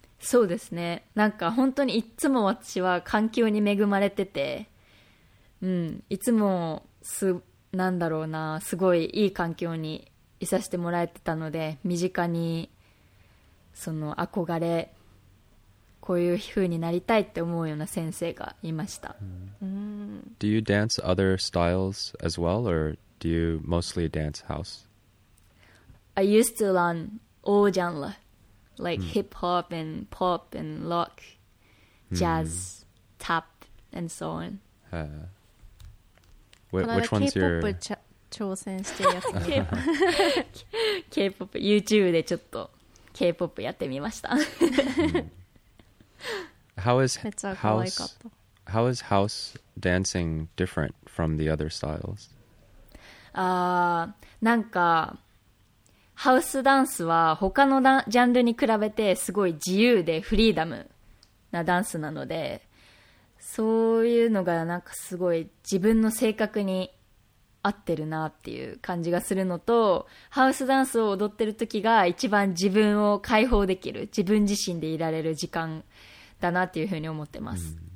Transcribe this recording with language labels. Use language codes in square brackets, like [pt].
[ja] そうですね、なんか本当にいつも私は環境に恵まれてて、うん、いつもなんだろうな、すごいいい環境にいさせてもらえてたので身近にその憧れこういう風になりたいって思うような先生がいました。 [en] Do you dance other styles as well or do you mostly dance house? I used to learn all genre like hip hop and pop and rock, jazz, tap and so on. Which one's your K-pop [ja] 挑戦してるやつ。 K-pop YouTube でちょっと K-pop やってみました。 [en] How is house dancing different from the other styles? [ja] なんかハウスダンスは他のジャンルに比べてすごい自由でフリーダムなダンスなのでそういうのがなんかすごい自分の性格に合ってるなっていう感じがするのとハウスダンスを踊ってる時が一番自分を解放できる自分自身でいられる時間だなっていうふうに思ってます、